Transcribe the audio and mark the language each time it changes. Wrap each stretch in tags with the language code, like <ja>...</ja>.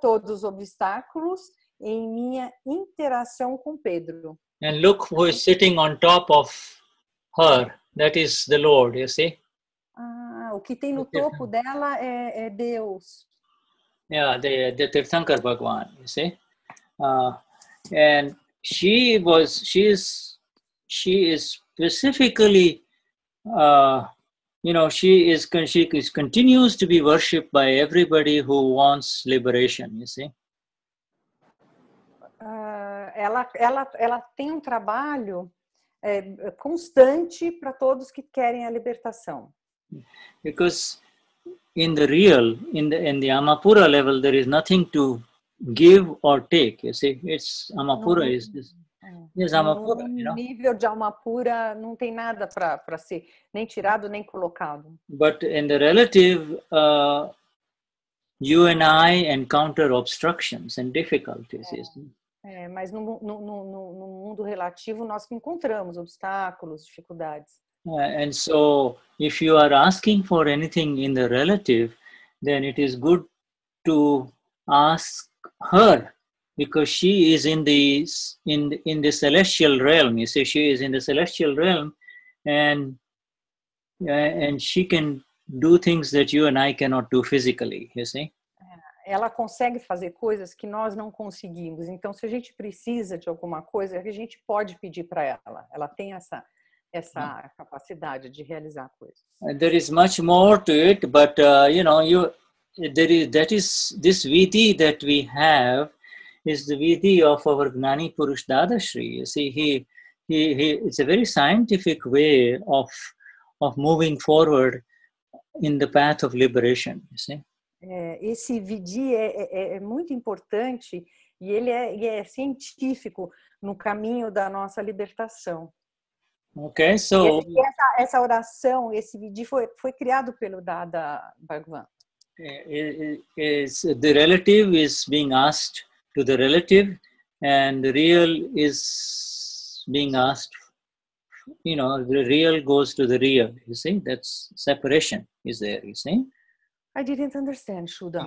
<pt>todos os obstáculos em minha interação com Pedro.</pt> <en>And look who is sitting on top of her. That is the Lord, you see?</en> <pt>Ah, o que tem no topo dela é Deus.</pt> <en>Yeah, the Tirthankar Bhagwan, you see? And she is specifically she continues to be worshipped by everybody who wants liberation, you see?</en> <pt>Ela tem um trabalho constante para todos que querem a libertação.</pt> <en>Because in the real, in the Amapura level, there is nothing to give or take. You see, it's Amapura is Amapura. No you know?</en> <pt>Nível de Amapura, não tem nada para ser nem tirado nem colocado.</pt> <en>But in the relative, you and I encounter obstructions and difficulties.</en> <pt>Mas no mundo relativo nós que encontramos obstáculos, dificuldades.</pt> <en>Yeah, and so, if you are asking for anything in the relative, then it is good to ask her, because she is in the celestial realm. You see, she is in the celestial realm, and she can do things that you and I cannot do physically. You see.</en> <pt>Ela consegue fazer coisas que nós não conseguimos. Então, se a gente precisa de alguma coisa, a gente pode pedir para ela. Ela tem essa capacidade de realizar coisas.</pt> <en>There is much more to it, but you know, this vidhi that we have is the vidhi of our Gnani Purush Dadashri. You see, he it's a very scientific way of moving forward in the path of liberation, you see.</en> <pt>Esse vidhi é muito importante e ele é científico no caminho da nossa libertação.</pt> <en>Okay, so</en> <pt>essa oração, esse vidhi foi criado pelo Dada Bhagwan.</pt> <en>The relative is being asked to the relative, and the real is being asked. You know, the real goes to the real. You see, that's separation is there. You see. I didn't understand, Shuddha.</en>